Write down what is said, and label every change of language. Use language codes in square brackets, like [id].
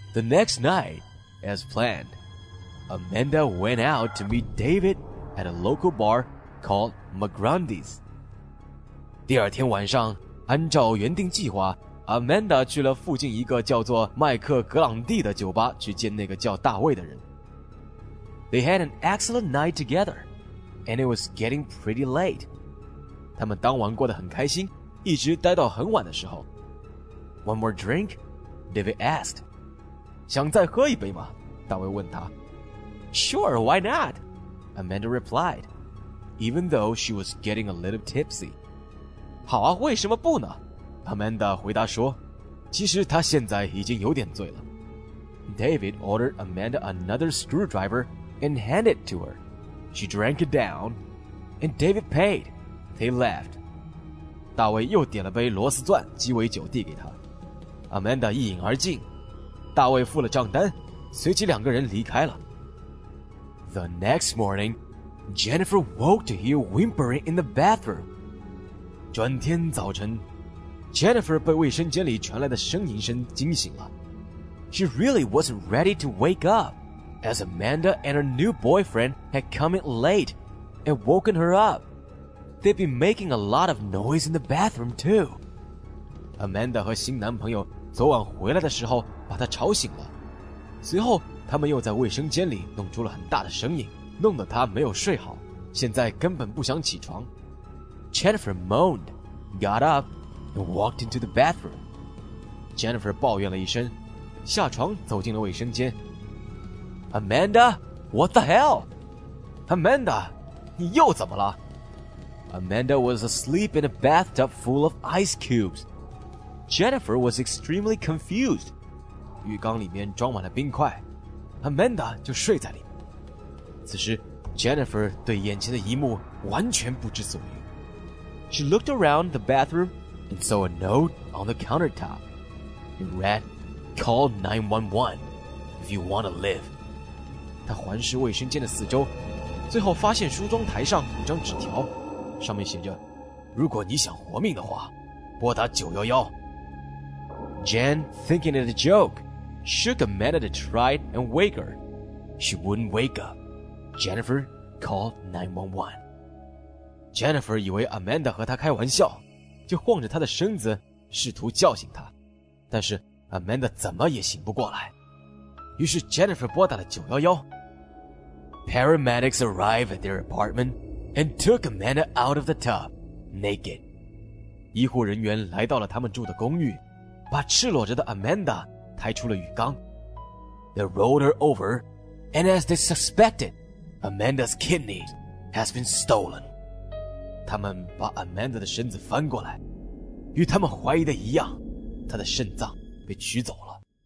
[en] The next night, as planned, Amanda went out to meet David at a local bar called Magrandi's. [zh] 第二天晚上，按照原定计划， Amanda 去了附近一个叫做麦克格朗蒂的酒吧去见那个叫大卫的人。 [en] They had an excellent night together, and it was getting pretty late. [zh] 他们当晚过得很开心，一直待到很晚的时候。 [en] One more drink? David asked. [zh] 想再喝一杯吗？大卫问他。 [en] Sure, why not? Amanda replied, even though she was getting a little tipsy. [zh] 好啊，为什么不呢？ Amanda 回答说，其实她现在已经有点醉了。 [en] David ordered Amanda another screwdriver and handed it to her. She drank it down, and David paid. They left. [zh] 大卫又点了杯螺丝钻鸡尾酒递给他。 Amanda 一饮而尽，大卫付了账单，随即两个人离开了。 [en] The next morning, Jennifer woke to hear whimpering in the bathroom. [zh] 转天早晨 ,Jennifer 被卫生间里传来的呻吟声惊醒了。 [en] She really wasn't ready to wake up, as Amanda and her new boyfriend had come in late and woken her up. They'd been making a lot of noise in the bathroom too. [zh] Amanda 和新男朋友昨晚回来的时候把她吵醒了。随后他们又在卫生间里弄出了很大的声音，弄得她没有睡好，现在根本不想起床。 [en] Jennifer moaned, got up, and walked into the bathroom. [zh] Jennifer 抱怨了一声，下床走进了卫生间。 [en] Amanda, what the hell? [zh] Amanda, 你又怎么了？ [en] Amanda was asleep in a bathtub full of ice cubes. Jennifer was extremely confused. [zh] 浴缸里面装满了冰块， Amanda 就睡在里面。此时 Jennifer 对眼前的一幕完全不知所云。 [en] She looked around the bathroom and saw a note on the countertop. It read, Call 911 if you want to live. [zh] 她环视卫生间的四周，最后发现梳妆台上有张纸条，上面写着，如果你想活命的话，拨打911。 [en] Jen, thinking it a joke, shook Amanda to try and wake her. She wouldn't wake up. Jennifer called 911. [zh] Jennifer 以为 Amanda 和她开玩笑，就晃着她的身子试图叫醒她，但是 Amanda 怎么也醒不过来。于是 Jennifer 拨打了911。 [en] Paramedics arrived at their apartment and took Amanda out of the tub, naked. [zh] 医护人员来到了他们住的公寓，把赤裸着的 Amanda 抬出了浴缸。 [en] They rolled her over, and as they suspected, Amanda's kidney has been stolen. [zh] 他们把 Amanda 的身子翻过来，与他们怀疑的一样，她的肾脏被取走了。